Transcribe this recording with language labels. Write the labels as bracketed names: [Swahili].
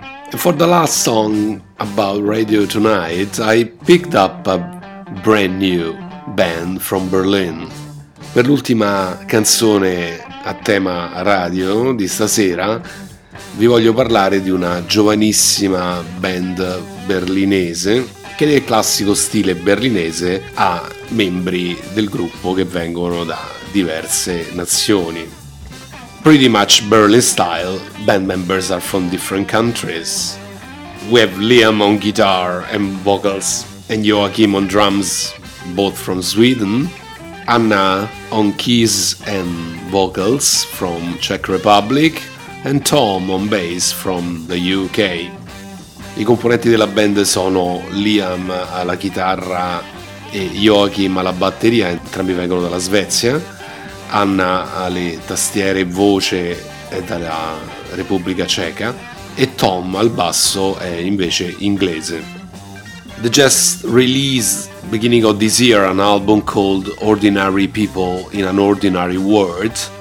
[English] And for the last song about radio tonight, I picked up a brand new band from Berlin. [Italian] Per l'ultima canzone a tema radio di stasera, vi voglio parlare di una giovanissima band berlinese che nel classico stile berlinese ha membri del gruppo che vengono da diverse nazioni. [English] Pretty much Berlin style, band members are from different countries. We have Liam on guitar and vocals and Joachim on drums, both from Sweden. Anna on keys and vocals from Czech Republic and Tom on bass from the UK. [Italian] I componenti della band sono Liam alla chitarra e Joachim alla batteria, entrambi vengono dalla Svezia, Anna alle tastiere e voce è dalla Repubblica Ceca e Tom al basso è invece inglese. [English] They just released beginning of this year an album called Ordinary People in an Ordinary World.